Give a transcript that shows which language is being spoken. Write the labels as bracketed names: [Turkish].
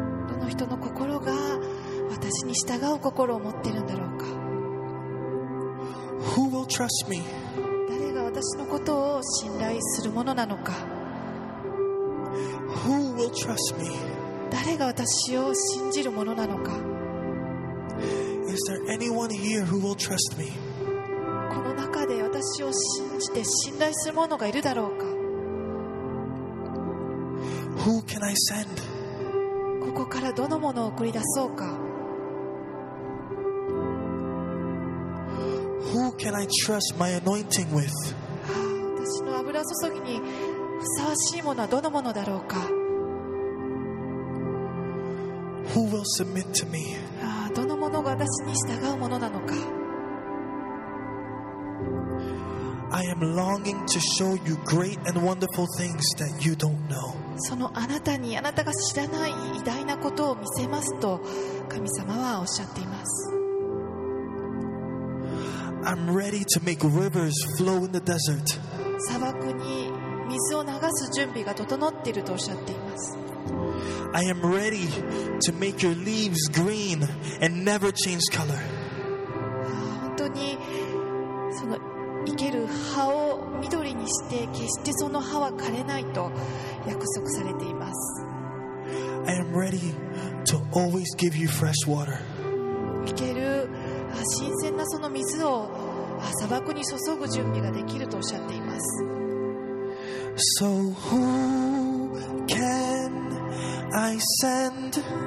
[Japanese] どの人の心が私に従う心を持っているんだろうか。 [English] Who will trust me? [Japanese] 誰が私のことを信頼するものなのか。 [English] Who will trust me? [Japanese] 誰が私を信じるものなのか。 [English] Is there anyone here who will trust me? [Japanese] この中で私を信じて信頼する者がいるだろうか。 [English] Who can I send? [Japanese] ここからどの者を送り出そうか。 [English] Who can I trust my anointing with? [Japanese] 私の油注ぎにふさわしいものはどの者だろうか。 [English] Who will submit to me? [Japanese] どのものが私に従うものなのか。 [English] I am longing to show you great and wonderful things that you don't know. [Japanese] そのあなたにあなたが知らない偉大なことを見せますと神様はおっしゃっています。 [English] I'm ready to make rivers flow in the desert. [Japanese] 砂漠に水を流す準備が整っているとおっしゃっています。 [English] I am ready to make your leaves green and never change color. [Japanese] 本当にその生ける葉を緑にして決してその葉は枯れないと約束されています。 [English] I am ready to always give you fresh water. [Japanese] 生ける新鮮なその水を砂漠に注ぐ準備ができるとおっしゃっています。 [English] So who can I send?